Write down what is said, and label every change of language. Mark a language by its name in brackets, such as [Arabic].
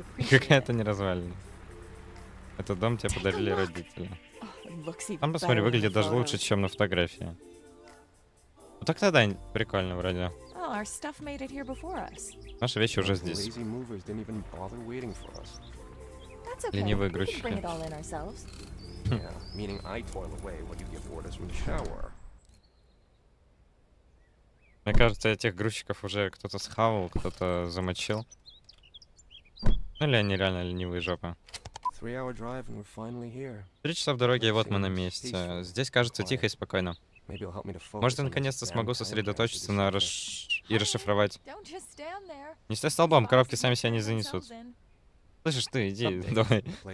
[Russian] Какая-то не развалина. Этот дом тебе подарили родители. Там, посмотри, выглядит даже лучше, чем на фотографии. Ну так тогда прикольно вроде. [English] Our stuff made it here before us. [Russian] Наши вещи уже здесь. [English] That's okay. Ленивые грузчики. We can bring it all in ourselves. Yeah, meaning I toil away while you give orders from the shower. [Russian] Мне кажется, этих грузчиков уже кто-то схавал, кто-то замочил. Ну или они реально ленивые жопы. [English] 3-hour drive and we're finally here. [Russian] 3 часа в дороге, и вот мы на месте. Здесь кажется тихо и спокойно. Может, я наконец-то смогу сосредоточиться на расшифровать. Не стой столбом, коробки сами себя не занесут. Слышишь, ты, иди, давай.